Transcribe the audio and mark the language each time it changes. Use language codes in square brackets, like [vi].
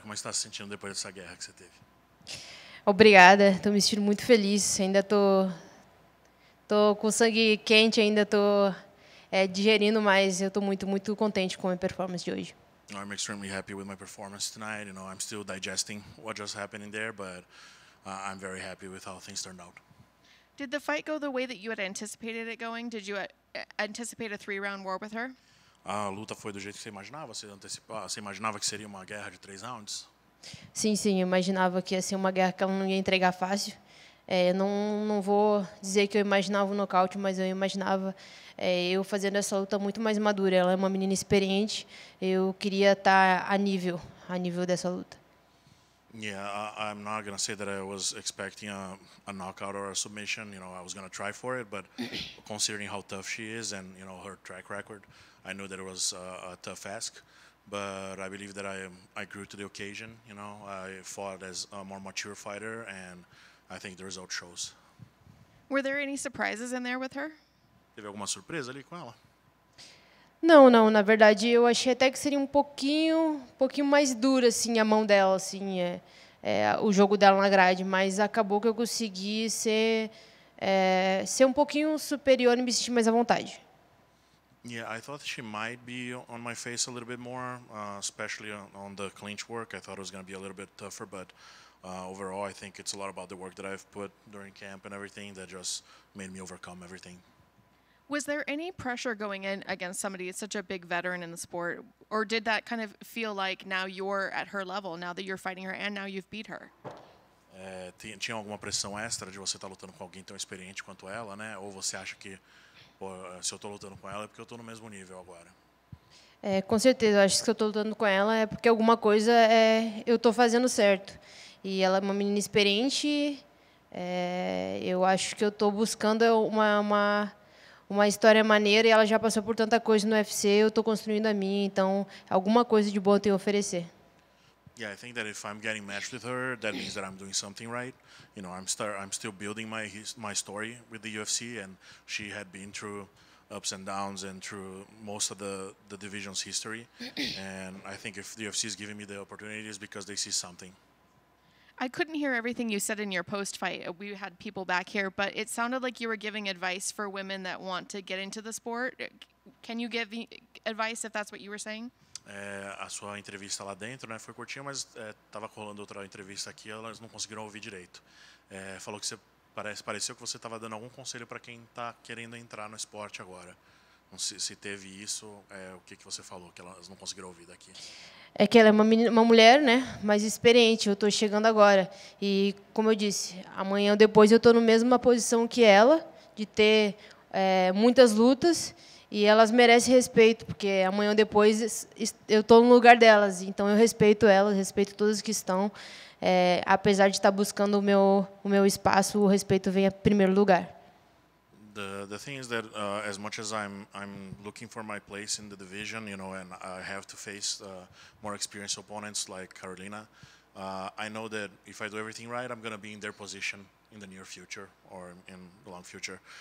[pt] Como está se sentindo depois dessa guerra que você teve? Obrigada. Estou me sentindo muito feliz. Ainda tô com sangue quente. Ainda tô digerindo, mas eu tô muito, muito contente com a minha performance de hoje. [en] I'm extremely happy with my performance tonight. You know, I'm still digesting what just happened in there, but I'm very happy with how things turned out. Did the fight go the way that you had anticipated it going? Did you anticipate a three-round war with her? [pt] A luta foi do jeito que você imaginava? Você imaginava que seria uma guerra de três rounds? Sim, sim, eu imaginava que ia ser uma guerra que ela não ia entregar fácil. Não vou dizer que eu imaginava um nocaute, mas eu imaginava eu fazendo essa luta muito mais madura. Ela é uma menina experiente. Eu queria estar a nível dessa luta. [en] Yeah, I'm not gonna say that I was expecting a knockout or a submission. You know, I was gonna try for it, but considering how tough she is and you know her track record, I knew that it was a tough ask. But I believe that I grew to the occasion. You know, I fought as a more mature fighter, and I think the result shows. Were there any surprises in there with her? [pt] Teve alguma surpresa ali com ela? Não, na verdade eu achei até que seria um pouquinho mais dura assim a mão dela, assim, o jogo dela na grade, mas acabou que eu consegui ser um pouquinho superior e me sentir mais à vontade. [en] Yeah, I thought she might be on my face a little bit more, especially on the clinch work. I thought it was going to be a little bit tougher, but overall I think it's a lot about the work that I've put during camp and everything that just made me overcome everything. Was there any pressure going in against somebody who's such a big veteran in the sport? Or did that kind of feel like now you're at her level, now that you're fighting her and now you've beat her? [pt] Tinha alguma pressão extra de você estar lutando com alguém tão experiente quanto ela, né? Ou você acha que, pô, se eu estou lutando com ela é porque eu estou no mesmo nível agora? Com certeza, eu acho que se eu estou lutando com ela é porque alguma coisa eu estou fazendo certo. E ela é uma menina experiente, eu acho que eu estou buscando uma história maneira, e ela já passou por tanta coisa no UFC, eu estou construindo a minha, então alguma coisa de boa eu tenho a oferecer. [en] Yeah, I think that if I'm getting matched with her, that means that I'm doing something right. You know, I'm still building my story with the UFC, and she had been through ups and downs and through most of the division's history. And I think if the UFC is giving me the opportunity, it's because they see something. I couldn't hear everything you said in your post-fight. We had people back here, but it sounded like you were giving advice for women that want to get into the sport. Can you give advice if that's what you were saying? [pt] A sua entrevista lá dentro, né, foi curtinha, mas estava rolando outra entrevista aqui, elas não conseguiram ouvir direito. Falou que você pareceu que você estava dando algum conselho para quem está querendo entrar no esporte agora. Se teve isso, o que você falou que elas não conseguiram ouvir daqui? É que ela é uma mulher, né, mais experiente. Eu estou chegando agora e, como eu disse, amanhã ou depois eu estou na mesma posição que ela, de ter muitas lutas, e elas merecem respeito, porque amanhã ou depois eu estou no lugar delas. Então eu respeito elas, respeito todas que estão, apesar de estar buscando o meu espaço, o respeito vem em primeiro lugar. [en] The thing is that as much as I'm looking for my place in the division, you know, and I have to face more experienced opponents like Karolina, I know that if I do everything right, I'm going to be in their position in the near future or in the long future.